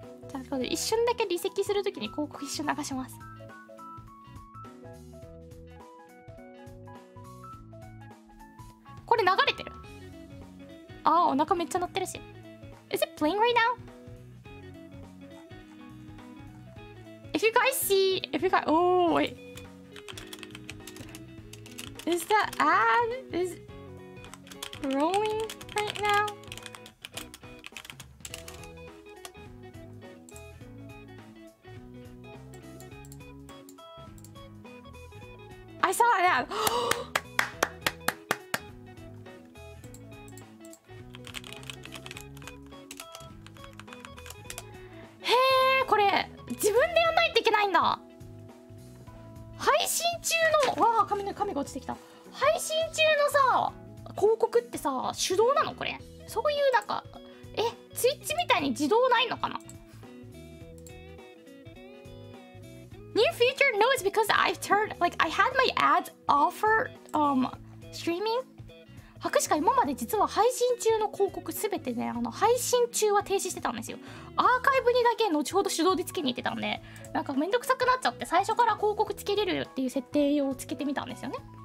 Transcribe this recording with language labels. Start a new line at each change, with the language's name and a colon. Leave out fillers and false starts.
Japanese: じゃあ、これ一瞬だけ離席するときに広告一瞬流します。これ流れてる。ああ、お腹めっちゃ鳴ってるし。
English: Is it playing right now? If you guys see, if you guys, oh wait, is the ad is rolling right now? I saw an ad.
Japanese: Hey, これ自分でやんないといけないんだ。配信中の、わあ、髪が落ちてきた。配信中のさ、広告ってさ、手動なの、これ。そういうなんか、え、ツイッチみたいに自動ないのかな。
English: New feature? No, it's because I've turned, like, I had my ads off for, streaming.
Japanese: 博士か、今まで実は配信中の広告すべてね、配信中は停止してたんですよ。アーカイブにだけ後ほど手動でつけに行ってたんで、なんかめんどくさくなっちゃって、最初から広告つけれるっていう設定をつけてみたんですよね。